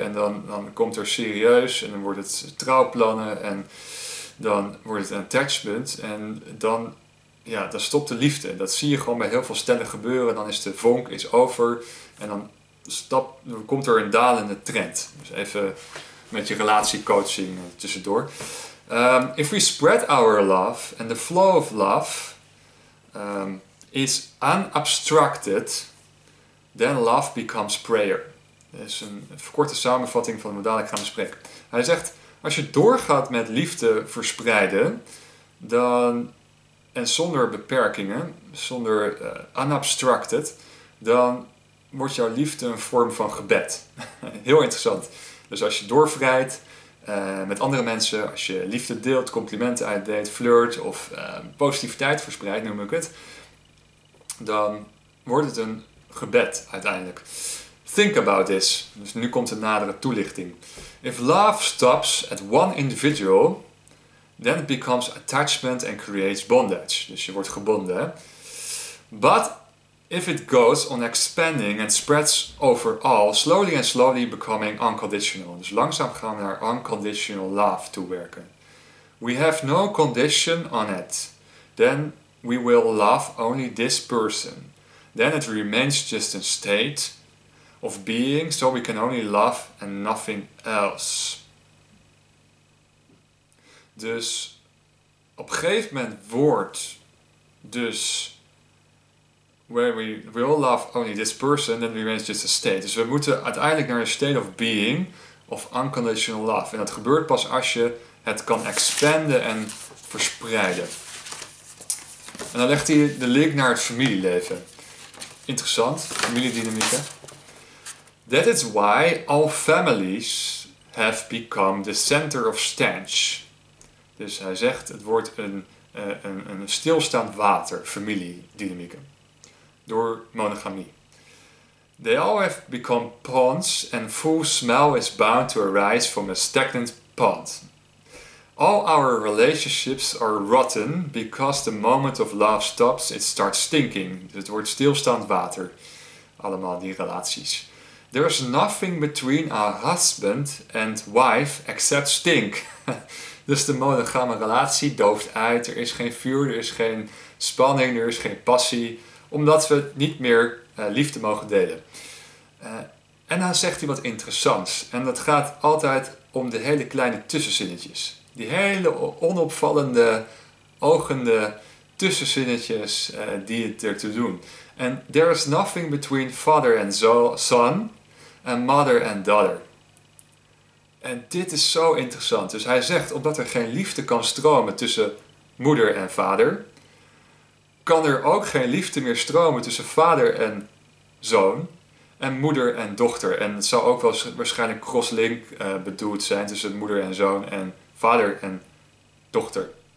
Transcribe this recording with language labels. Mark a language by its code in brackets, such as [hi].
[nl] En dan komt er serieus. En dan wordt het trouwplannen. En dan wordt het een attachment. En dan, ja, dan stopt de liefde. Dat zie je gewoon bij heel veel stellen gebeuren. Dan is de vonk is over. En dan komt er een dalende trend. Dus even met je relatiecoaching tussendoor. [en] If we spread our love and the flow of love is unobstructed, then love becomes prayer. [nl] Dat is een verkorte samenvatting van wat dadelijk gaan bespreken. Hij zegt, als je doorgaat met liefde verspreiden, dan, en zonder beperkingen, zonder unobstructed, dan wordt jouw liefde een vorm van gebed. Heel interessant. Dus als je doorvrijdt met andere mensen, als je liefde deelt, complimenten uitdeelt, flirt of positiviteit verspreidt, noem ik het, dan wordt het een gebed uiteindelijk. [en] Think about this. [nl] Dus nu komt een nadere toelichting. [en] If love stops at one individual, then it becomes attachment and creates bondage. [nl] Dus je wordt gebonden. [en] But if it goes on expanding and spreads over all, slowly and slowly becoming unconditional. [nl] Dus langzaam gaan we naar unconditional love toewerken. [en] we have no condition on it. Then we will love only this person. Then it remains just a state of being, so we can only love and nothing else. [nl] Dus op een gegeven moment wordt dus [en] where we will love only this person, then remains just a state. [nl] Dus we moeten uiteindelijk naar een [en] state of being of unconditional love. [nl] En dat gebeurt pas als je het kan expanden en verspreiden. En dan legt hij de link naar het familieleven. Interessant, familiedynamieken. [en] That is why all families have become the center of stench. [nl] Dus hij zegt, het wordt een stilstaand water, familiedynamieken. Door monogamie. [en] They all have become ponds and full smell is bound to arise from a stagnant pond. All our relationships are rotten because the moment of love stops, it starts stinking. [nl] Het wordt stilstaand water. Allemaal die relaties. [en] There is nothing between a husband and wife except stink. [nl] Dus de monogame relatie dooft uit. Er is geen vuur, er is geen spanning, er is geen passie. Omdat we niet meer liefde mogen delen. En dan zegt hij wat interessants. En dat gaat altijd om de hele kleine tussenzinnetjes. Die hele onopvallende, ogende tussenzinnetjes die het ertoe doen. [en] And there is nothing between father and son and mother and daughter. [nl] En dit is zo interessant. Dus hij zegt, omdat er geen liefde kan stromen tussen moeder en vader, kan er ook geen liefde meer stromen tussen vader en zoon en moeder en dochter. En het zou ook wel waarschijnlijk crosslink bedoeld zijn tussen moeder en zoon en vader en dochter.